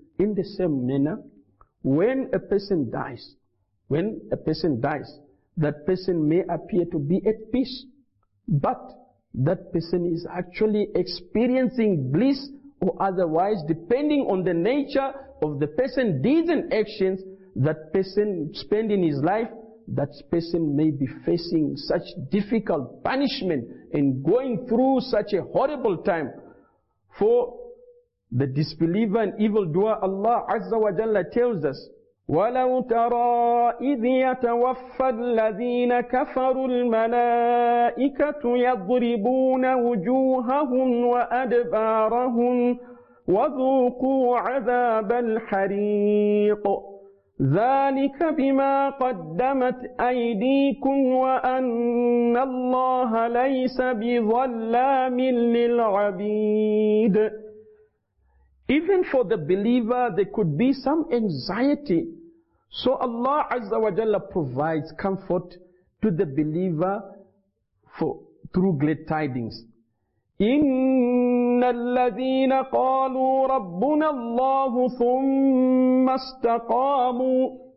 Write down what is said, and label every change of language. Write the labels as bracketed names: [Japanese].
[English] In the same manner, when a person dies, that person may appear to be at peace, but that person is actually experiencing bliss or otherwise, depending on the nature of the person's deeds and actions that person spent in his life, that person may be facing such difficult punishment and going through such a horrible time. For the disbeliever and evildoer, Allah Azza wa Jalla tells us, [Arabic] وَلَوْ تَرَى إِذْ يَتَوَفَّى الَّذِينَ كَفَرُوا الْمَلَائِكَةُ يَضْرِبُونَ وُجُوهَهُمْ وَأَدْبَارَهُمْ وَذُوقُوا عَذَابَ الْحَرِيقُ ذَلِكَ بِمَا قَدَّمَتْ أَيْدِيكُمْ وَأَنَّ اللَّهَ لَيْسَ بِظَلَّامٍ لِلْعَبِيدِ. [English] Even for the believer, there could be some anxiety. So Allah Azza wa Jalla provides comfort to the believer through glad tidings. [Arabic] إِنَّ الَّذِينَ قَالُوا رَبُّنَا اللَّهُ ثُمَّ اسْتَقَامُوا.